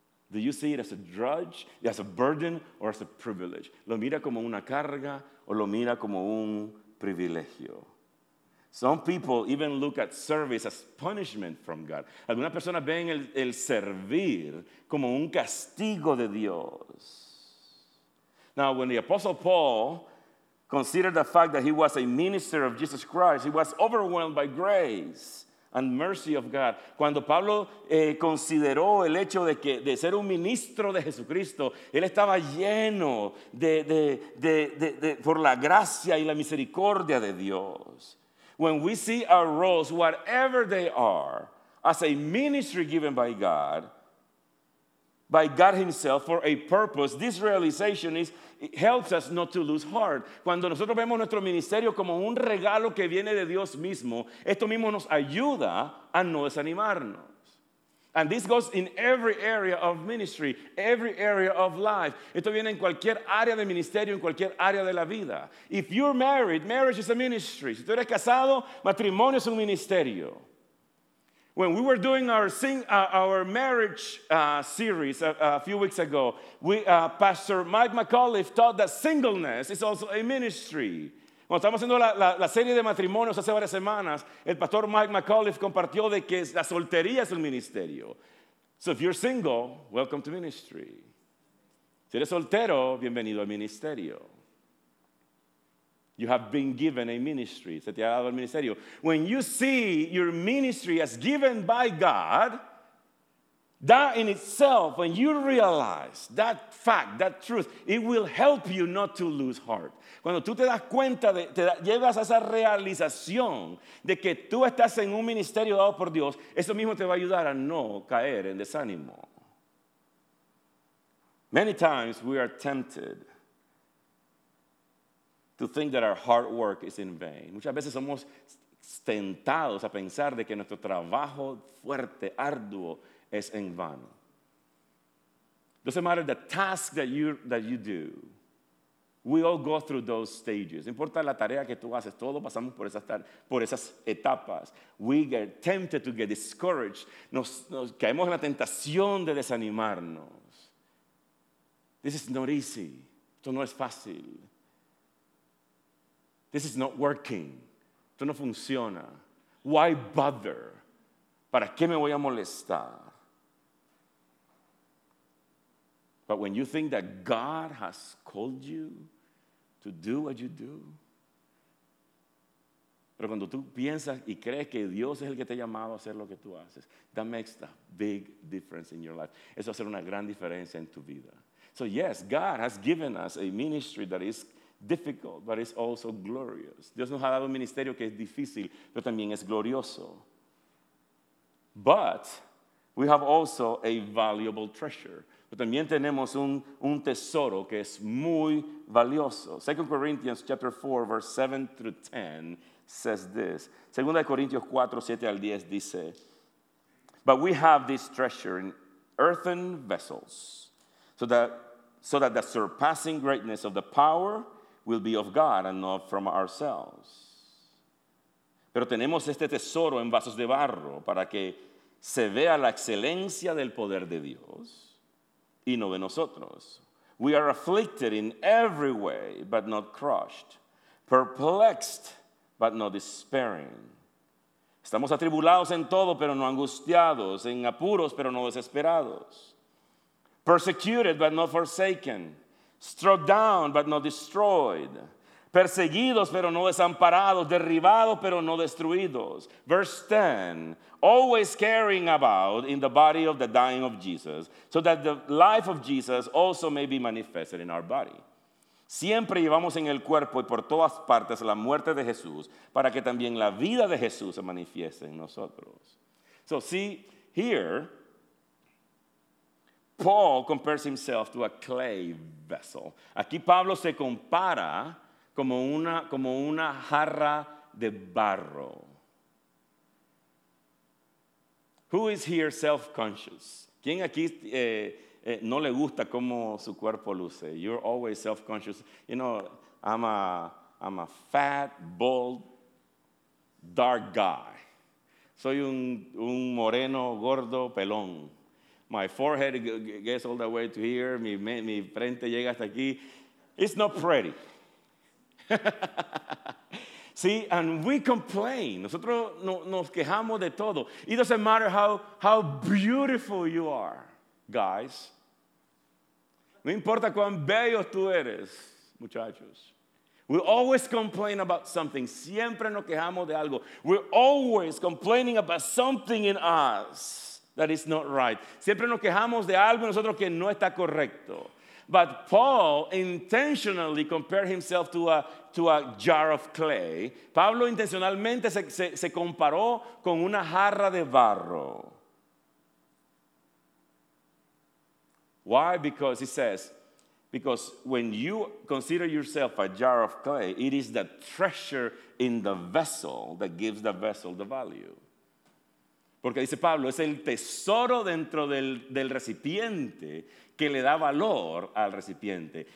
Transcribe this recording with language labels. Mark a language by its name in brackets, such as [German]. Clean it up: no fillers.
[English] Do you see it as a drudge, as a burden, or as a privilege? [Spanish] ¿Lo mira como una carga o lo mira como un privilegio? [English] Some people even look at service as punishment from God. [Spanish] Algunas personas ven el servir como un castigo de Dios. [English] Now, when the Apostle Paul considered the fact that he was a minister of Jesus Christ, he was overwhelmed by grace and mercy of God. [Spanish] Cuando Pablo consideró el hecho de ser un ministro de Jesucristo, él estaba lleno de por la gracia y la misericordia de Dios. [English] When we see our roles, whatever they are, as a ministry given by God Himself for a purpose, this realization helps us not to lose heart. [Spanish] Cuando nosotros vemos nuestro ministerio como un regalo que viene de Dios mismo, esto mismo nos ayuda a no desanimarnos. [English] And this goes in every area of ministry, every area of life. [Spanish] Esto viene en cualquier área de ministerio, en cualquier área de la vida. [English] If you're married, marriage is a ministry. [Spanish] Si tú eres casado, matrimonio es un ministerio. [English] When we were doing our marriage series a few weeks ago, Pastor Mike McAuliffe taught that singleness is also a ministry. [Spanish] Cuando estamos haciendo la serie de matrimonios hace varias semanas, el pastor Mike McAuliffe compartió de que la soltería es un ministerio. So if you're single, welcome to ministry. Si eres soltero, bienvenido al ministerio. You have been given a ministry. Se te ha dado el ministerio. [English] When you see your ministry as given by God, that in itself, when you realize that fact, that truth, it will help you not to lose heart. [Spanish] Cuando tú te das cuenta, llegas a esa realización de que tú estás en un ministerio dado por Dios, eso mismo te va a ayudar a no caer en desánimo. [English] Many times we are tempted to think that our hard work is in vain. [Spanish] Muchas veces somos tentados a pensar de que nuestro trabajo fuerte, arduo, es en vano. [English] Doesn't matter the task that you do. We all go through those stages. [Spanish] No importa la tarea que tú haces, todos pasamos por esas etapas. [English] We get tempted to get discouraged. [Spanish] Nos caemos en la tentación de desanimarnos. [English] This is not easy. [Spanish] Esto no es fácil. [English] This is not working. [Spanish] Esto no funciona. [English] Why bother? [Spanish] ¿Para qué me voy a molestar? [English] But when you think that God has called you to do what you do, [Spanish] Pero cuando tú piensas y crees que Dios es el que te ha llamado a hacer lo que tú haces, [English] that makes a big difference in your life. [Spanish] Eso hace una gran diferencia en tu vida. [English] So yes, God has given us a ministry that is difficult, but it's also glorious. [Spanish] Dios nos ha dado un ministerio que es difícil, pero también es glorioso. [English] But we have also a valuable treasure. [Spanish] Pero también tenemos un tesoro que es muy valioso. [English] 2 Corinthians chapter 4, verse 7 through 10 says this. [Spanish] 2 Corintios 4, 7 al 10 dice, [English] but we have this treasure in earthen vessels, so that the surpassing greatness of the power will be of God and not from ourselves. [Spanish] Pero tenemos este tesoro en vasos de barro para que se vea la excelencia del poder de Dios y no de nosotros. [English] We are afflicted in every way, but not crushed, perplexed, but not despairing. [Spanish] Estamos atribulados en todo, pero no angustiados, en apuros, pero no desesperados. [English] Persecuted, but not forsaken, struck down, but not destroyed. [Spanish] Perseguidos, pero no desamparados, derribados, pero no destruidos. [English] Verse 10, always caring about in the body of the dying of Jesus, so that the life of Jesus also may be manifested in our body. [Spanish] Siempre llevamos en el cuerpo y por todas partes la muerte de Jesús, para que también la vida de Jesús se manifieste en nosotros. [English] So see, here, Paul compares himself to a clay vessel. [Spanish] Aquí Pablo se compara como una jarra de barro. [English] Who is here self-conscious? [Spanish] ¿Quién aquí no le gusta cómo su cuerpo luce? [English] You're always self-conscious. You know, I'm a fat, bald, dark guy. [Spanish] Soy un moreno, gordo, pelón. [English] My forehead gets all the way to here. [Spanish] Mi frente llega hasta aquí. [English] It's not pretty. See, and we complain. [Spanish] Nosotros nos quejamos de todo. [English] It doesn't matter how beautiful you are, guys. [Spanish] No importa cuán bello tú eres, muchachos. [English] We always complain about something. [Spanish] Siempre nos quejamos de algo. [English] We're always complaining about something in us that is not right. [Spanish] Siempre nos quejamos de algo en nosotros que no está correcto. [English] But Paul intentionally compared himself to a jar of clay. [Spanish] Pablo intencionalmente se comparó con una jarra de barro. [English] Why? Because he says, because when you consider yourself a jar of clay, it is the treasure in the vessel that gives the vessel the value. [Spanish] Porque dice Pablo, es el tesoro dentro del recipiente que le da valor al recipiente.